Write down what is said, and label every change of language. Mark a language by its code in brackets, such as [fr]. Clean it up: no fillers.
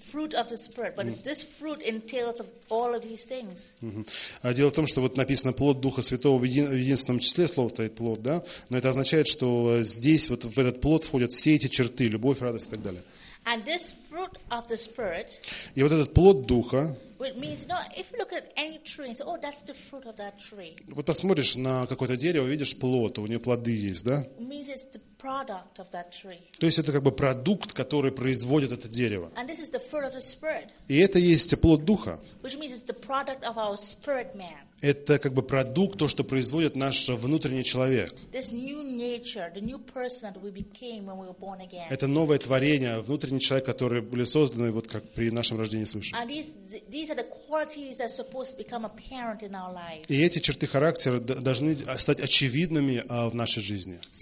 [en] Fruit of the Spirit, but is this fruit entails of all of these things? [ru] А дело в том, что вот написано плод Духа Святого в единственном числе слова стоит плод, да? Но это означает, что здесь вот в этот плод входят все эти черты: любовь, радость и так далее. [en] And this fruit of the Spirit. [ru] И вот этот плод Духа. [en] It means, you know, if you look at any tree and say, oh, that's the fruit of that tree. [ru] Вот посмотришь на какое-то дерево, видишь плод, у него плоды есть, да? [en] It means it's the product of that tree. [ru] То есть это как бы продукт, который производит это дерево. [en] And this is the fruit of the Spirit. [ru] И это есть плод Духа. [en] Which means it's the product of our spirit man. [ru] Это как бы продукт, то, что производит наш внутренний человек. Это новое творение, внутренний человек, который были созданы вот как при нашем рождении свыше. И эти черты характера должны стать очевидными в нашей жизни.